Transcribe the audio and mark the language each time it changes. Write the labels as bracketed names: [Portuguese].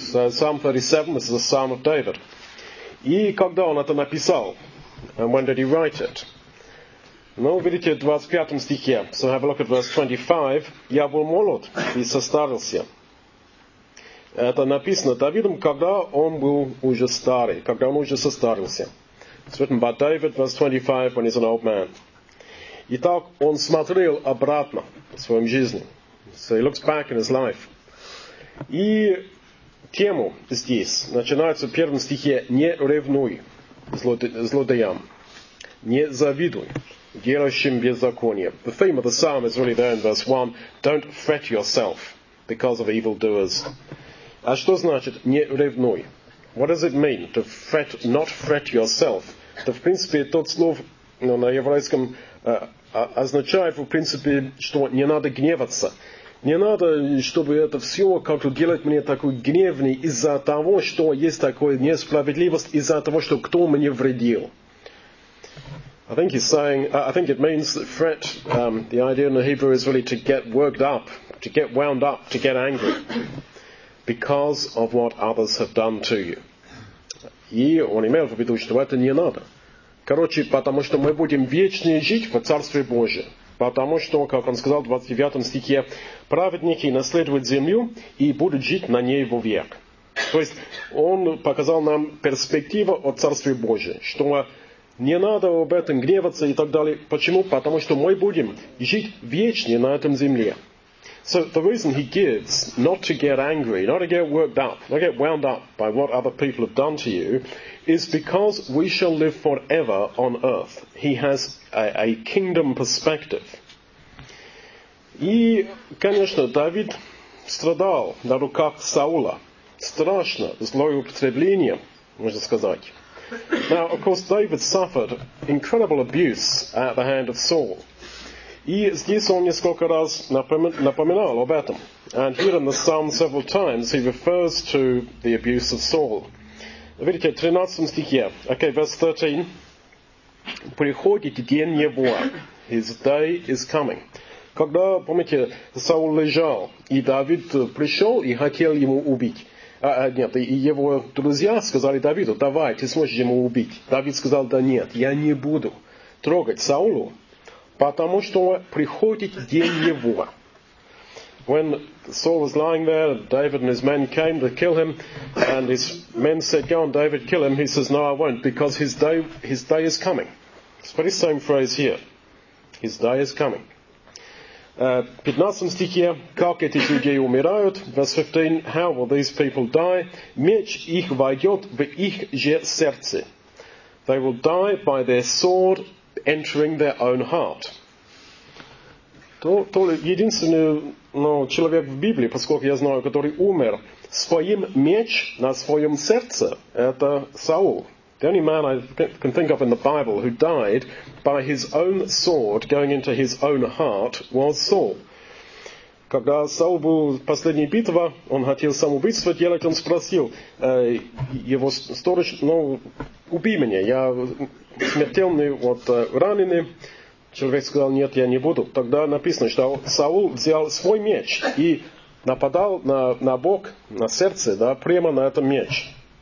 [English] Psalm 37 is the Psalm of David. [Russian] И когда он это написал? [English] And when did he write it? [Russian] Ну, видите, в 25 стихе. [English] So have a look at verse 25. [Russian] Я был молод и состарился. Это написано Давидом, когда он был уже старый, когда он уже состарился. [English] It's written by David, verse 25, when he's an old man. [Russian] Итак, он смотрел обратно в своем жизни. [English] So he looks back in his life. [Russian] И тему здесь начинается в первом стихе «Не ревнуй злодеям, не завидуй делающим беззаконие». [English] The theme of the psalm is really there in verse 1. Don't fret yourself because of evildoers. [Russian] А что значит «не ревнуй»? [English] What does it mean to fret, not fret yourself? [Russian] Это, в принципе, тот слов, ну, на еврейском означает, в принципе, что не надо гневаться. Не надо, чтобы это все как-то делать мне такой гневный из-за того, что есть такая несправедливость, из-за того, что кто мне вредил. [English] I think he's saying, I think it means fret. The idea in the Hebrew is really to get worked up, to get wound up, to get angry. Because of what others have done to you. [Russian] И он имел в виду, что это не надо. Короче, потому что мы будем вечно жить в Царстве Божьем. Потому что, как он сказал в 29 стихе, праведники наследуют землю и будут жить на ней вовек. То есть он показал нам перспективу о Царстве Божьем, что не надо об этом гневаться и так далее. Почему? Потому что мы будем жить вечно на этом земле. [English] So the reason he gives not to get angry, not to get worked up, not to get wound up by what other people have done to you, is because we shall live forever on earth. He has a kingdom perspective. [Russian] И, конечно, Давид страдал на руках Саула. Страшно злоупотребление, можно сказать. [English] Now, of course, David suffered incredible abuse at the hand of Saul. [Russian] И здесь он несколько раз напоминал об этом. [English] And here in the psalm several times he refers to the abuse of Saul. [Russian] Видите, 13 стихе. [English] Okay, verse 13. [Russian] Приходит день его. [English] His day is coming. [Russian] Когда, помните, Саул лежал, и Давид пришел и хотел ему убить. Нет, и его друзья сказали Давиду, давай, ты сможешь ему убить. Давид сказал, да нет, я не буду трогать Саулу. Потому что приходит день его. [English] When Saul was lying there, David and his men came to kill him, and his men said, go on, David, kill him. He says, no, I won't, because his day is coming. It's pretty same phrase here. His day is coming. [Russian] 15 стихе, как эти люди умирают. [English] Verse 15, how will these people die? [Russian] Меч их войдет в их же сердце. [English] They will die by their sword, entering their own heart. [Russian] То единственный, ну, человек в Библии, поскольку я знаю, который умер своим меч на своем сердце, это Саул. [English] The only man I can think of in the Bible who died by his own sword going into his own heart was Saul. [Russian] Когда Саул был в последней битве, он хотел самоубийство делать, он спросил его сторож, ну, убей меня, я смертельный, вот, раненый. Человек сказал, нет, я не буду. Тогда написано, что Саул взял свой меч и нападал на бок, на сердце, да, прямо на этот меч.